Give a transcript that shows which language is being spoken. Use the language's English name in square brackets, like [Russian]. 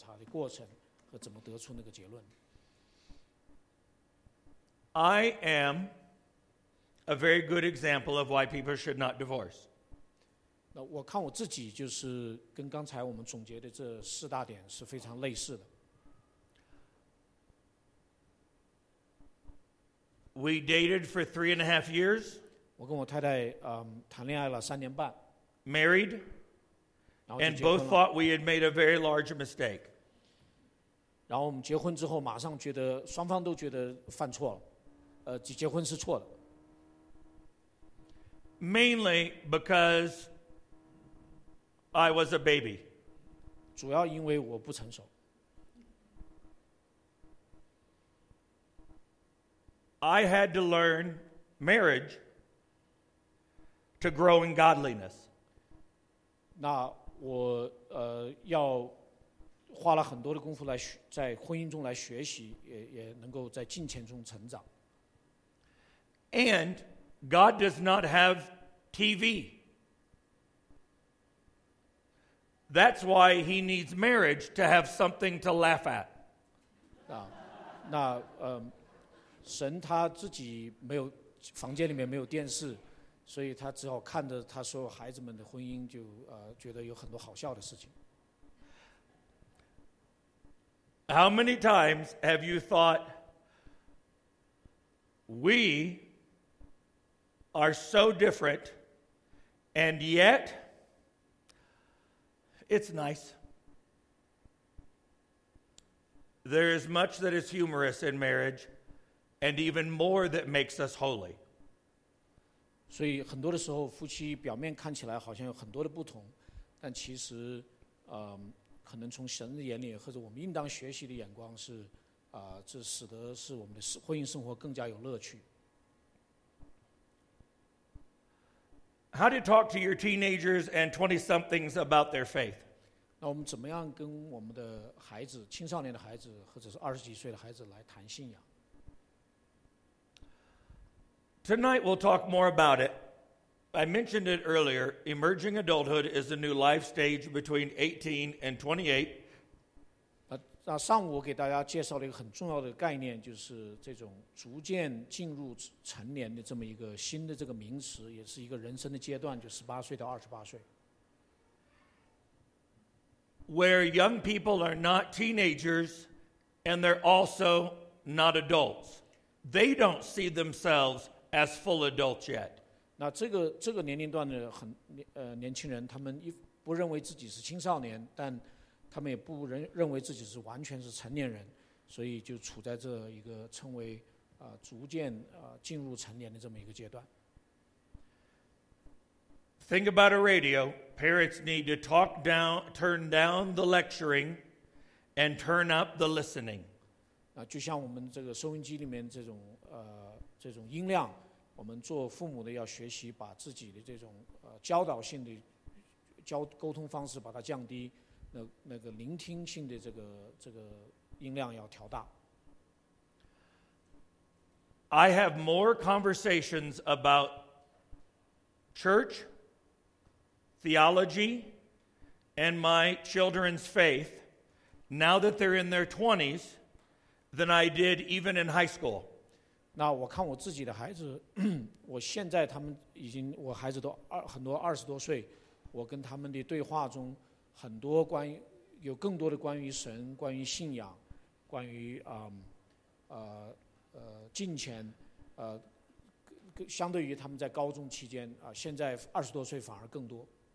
[Chinese] 关于婚姻的一个好消息就是这本书的名字。她这本书里面仔细解释了她的调查的过程和怎么得出那个结论。 [English] I am a very good example of why people should not divorce. [Chinese] 我看我自己就是跟刚才我们总结的这四大点是非常类似的。 [English] We dated for 3.5 years. [Chinese] 我跟我太太谈恋爱了3年半。 [English] Married. And both thought we had made a very large mistake. [Chinese] 然后我们结婚之后马上觉得双方都觉得犯错了，结婚是错的。 [English] Mainly because I was a baby. [Chinese] 主要因为我不成熟。 [English] I had to learn marriage to grow in godliness. [Chinese] 那我要花了很多的功夫来在婚姻中来学习，也能够在金钱中成长。 [English] And God does not have TV. That's why he needs marriage to have something to laugh at. [Chinese] 那神他自己没有房间里面没有电视，所以他只好看着他所有孩子们的婚姻，就觉得有很多好笑的事情。 [English] How many times have you thought we are so different, and yet it's nice? There is much that is humorous in marriage, and even more that makes us holy. [Chinese] 所以很多的时候，夫妻表面看起来好像有很多的不同，但其实，可能从神的眼里或者我们应当学习的眼光是，这使得是我们的婚姻生活更加有乐趣。 [English] How do you talk to your teenagers and 20-somethings about their faith? [Chinese] 那我们怎么样跟我们的孩子、青少年的孩子或者是二十几岁的孩子来谈信仰？ [English] Tonight we'll talk more about it. I mentioned it earlier, emerging adulthood is a new life stage between 18 and 28. [Chinese] 那上午我给大家介绍了一个很重要的概念，就是这种逐渐进入成年的这么一个新的这个名词，也是一个人生的阶段，就18岁到28岁。 [English] Where young people are not teenagers and they're also not adults. They don't see themselves as full adults yet. [Chinese] 那这个年龄段的年轻人，他们不认为自己是青少年，但他们也不认为自己是完全是成年人，所以就处在这一个称为逐渐进入成年的这么一个阶段。 [English] Think about a radio. Parents need to turn down the lecturing and turn up the listening. [Chinese] 那就像我们这个收音机里面这种音量，我们做父母的要学习把自己的这种教导性的沟通方式把它降低，那个聆听性的这个音量要调大。 [English] I have more conversations about church, theology, and my children's faith now that they're in their 20s than I did even in high school. [Chinese] 那我看我自己的孩子，我现在他们已经，我孩子都很多二十多岁，我跟他们的对话中很多关于，有更多的关于神，关于信仰，关于金钱，相对于他们在高中期间现在二十多岁反而更多。